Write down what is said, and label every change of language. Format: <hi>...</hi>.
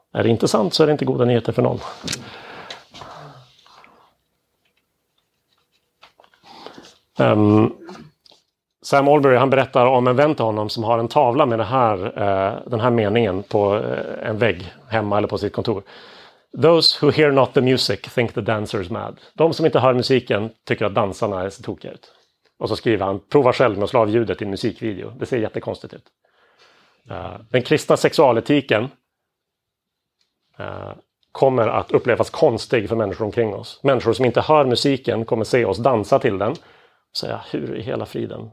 <sv>Är det inte sant så är det inte goda nyheter för någon. Sam Albury, han berättar om en vän till honom som har en tavla med den här meningen på en vägg hemma eller på sitt kontor.</sv> <en>Those who hear not the music think the dancer is mad.</en> <sv>De som inte hör musiken tycker att dansarna är så tokiga ut. Och så skriver han, prova själv med att slå av ljudet i en musikvideo. Det ser jättekonstigt ut. Den kristna sexualetiken kommer att upplevas konstig för människor omkring oss. Människor som inte hör musiken kommer se oss dansa till den. Säga, hur i hela friden?</sv>